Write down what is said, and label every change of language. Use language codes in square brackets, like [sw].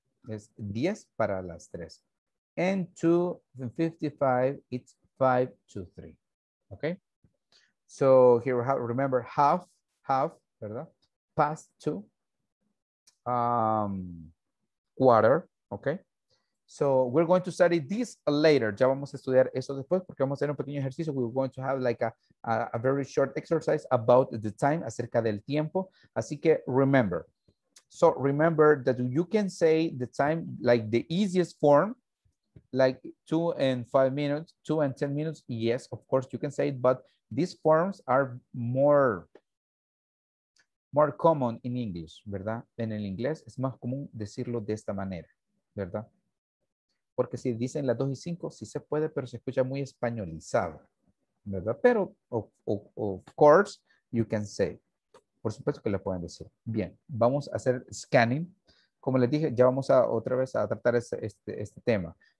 [es] Es 10 para las 3. [en] And 2:55, it's 5:23. Okay? So here we have, remember, half, ¿verdad? Past 2. Quarter, okay? So we're going to study this later. [es] Ya vamos a estudiar eso después porque vamos a hacer un pequeño ejercicio. [en] We're going to have like a very short exercise about the time, [es] acerca del tiempo. Así que [en] remember. So remember that you can say the time like the easiest form, like 2 and 5 minutes, 2 and 10 minutes. Yes, of course you can say it, but these forms are more common in English, ¿verdad? [es] En el inglés es más común decirlo de esta manera, ¿verdad? Porque si dicen las 2 y 5, sí se puede, pero se escucha muy españolizado, ¿verdad? Pero [en] of course you can say. [es] Por supuesto que le pueden decir. Bien, vamos a hacer scanning. Como les dije, ya vamos a otra vez a tratar este tema.